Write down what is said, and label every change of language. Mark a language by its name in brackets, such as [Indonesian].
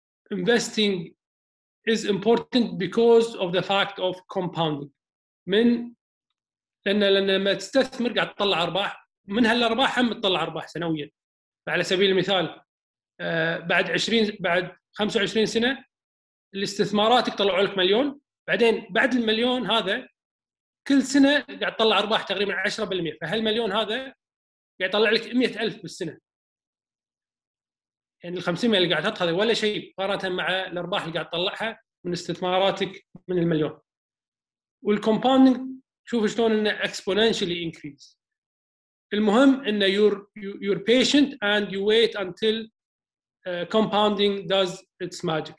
[English] investing is important because of the fact of compounding. [Arabic] من لأن لما تستثمر قاعد تطلع أرباح، من هالأرباح هم تطلع أرباح سنويا. على سبيل المثال بعد 20 بعد 25 سنة الاستثمارات يطلعوا لك مليون، بعدين بعد المليون هذا كل سنة قاعد تطلع أرباح تقريبا 10%، فهالمليون هذا قاعد يطلع لك 100,000 بالسنة. يعني 500 اللي قاعد تاخذه ولا شيء مقارنة مع الأرباح اللي قاعد تطلعها من استثماراتك من المليون. والكومباوندينج شوف شلون انه [English] exponentially increase. [Arabic] المهم انه [English] you're patient and you wait until compounding does its magic.